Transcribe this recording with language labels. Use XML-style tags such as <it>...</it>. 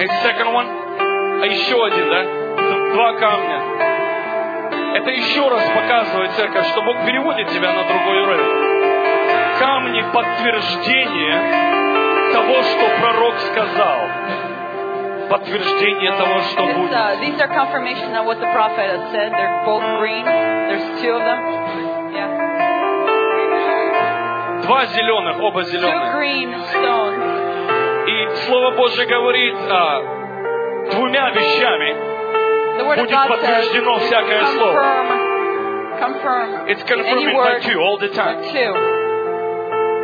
<en>It's second one.</en> <ru>А еще один, да? Два камня. Это еще раз показывает церковь, что Бог переводит тебя на другой уровень. Камни подтверждения того, что пророк сказал. Подтверждение того, что будет.</ru> <en>These are confirmation of what the prophet has said. They're both green. There's two of them. Yeah.</en> <ru>Два зеленых, оба зеленых. И Слово Божие говорит двумя вещами. Будет подтверждено всякое слово.</ru> <en>It's confirmed by two all the time.</en>